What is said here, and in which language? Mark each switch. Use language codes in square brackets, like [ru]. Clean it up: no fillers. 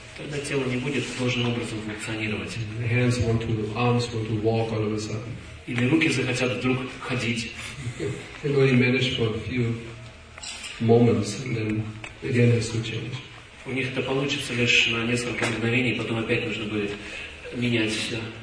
[ru] Тогда тело не будет должным образом функционировать. [en] The hands want to, arms want to walk all of a sudden. [ru] Или руки захотят вдруг ходить. [en] They only manage for a few moments, and then again has to change. [ru] У них это получится лишь на несколько мгновений, потом опять нужно будет менять все.